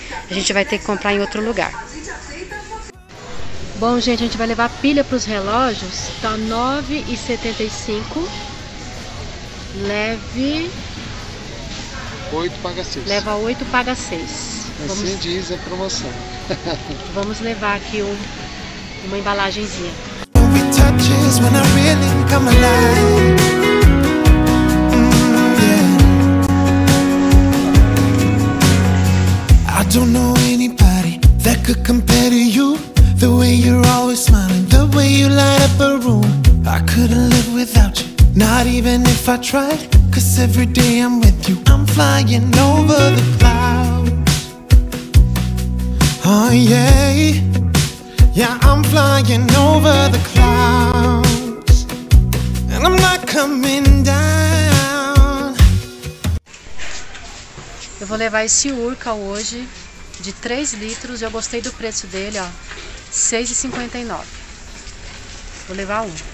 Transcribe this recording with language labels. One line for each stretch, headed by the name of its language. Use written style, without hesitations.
Portuguese: A gente vai ter que comprar em outro lugar. Bom, gente, a gente vai levar pilha para os relógios. Tá R$9,75. Leve 8, paga 6. Leva 8, paga 6. Vamos... Assim diz a promoção. Vamos levar aqui uma embalagenzinha.
English: We touch is when I really come alive. Yeah. I don't know anybody that could compare to you. The way you're always smiling, the way you light up a room. I couldn't live without you. Not even if I tried, 'cause every day I'm with you, I'm flying over the clouds. Oh yeah, yeah, I'm flying over the clouds, and I'm not coming down.
Portuguese: Eu vou levar esse Urca hoje de 3 litros. Eu gostei do preço dele, ó, R$6,59. Vou levar um.